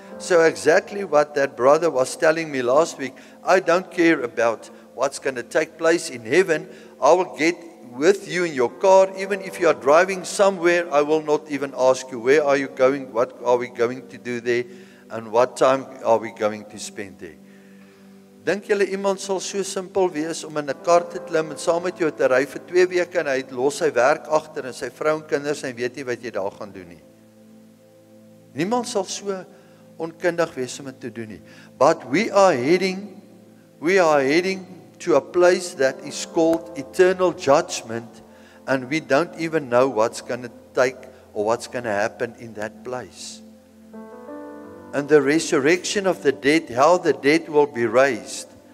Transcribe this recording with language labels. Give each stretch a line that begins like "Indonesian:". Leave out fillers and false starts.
English: So exactly what that brother was telling me last week, I don't care about what's going to take place in heaven. I will get with you in your car. Even if you are driving somewhere, I will not even ask you, where are you going? What are we going to do there? And what time are we going to spend there?
Afrikaans: Dink julle iemand sal so simpel wees om in 'n kar te klim en saam met jou te ry vir 2 weke en hy los sy werk agter en sy vrou en kinders en weet nie wat jy daar gaan doen nie. Niemand sal so onkundig wees om dit te doen nie.
English: But we are heading to a place that is called eternal judgment, and we don't even know what's going to take or what's going to happen in that place. And the resurrection of the dead, how the dead will be raised.